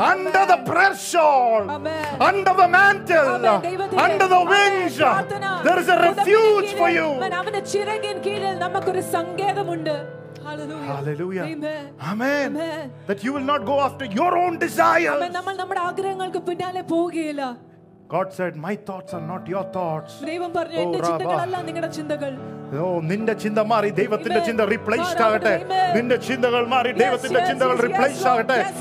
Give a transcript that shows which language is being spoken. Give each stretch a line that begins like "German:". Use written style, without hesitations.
English: Under Amen. The prayer shawl, under the mantle, Amen. Under the wings, Amen. There is a refuge for you. Hallelujah. Amen. Amen. That you will not go after your own desires. Amen.
Malayalam: നമ്മൾ നമ്മുടെ ആഗ്രഹങ്ങൾക്ക് പിന്നാലെ പോവുകയില്ല.
English: God said, my thoughts are not your thoughts.
Malayalam: ദൈവം പറഞ്ഞു എൻ്റെ ചിന്തകളല്ല നിങ്ങളുടെ ചിന്തകൾ. ഓ നിന്റെ ചിന്ത മാറി ദൈവത്തിന്റെ ചിന്ത റീപ്ലേസ് ആകട്ടെ. നിന്റെ ചിന്തകൾ മാറി ദൈവത്തിന്റെ ചിന്തകൾ റീപ്ലേസ് ആകട്ടെ.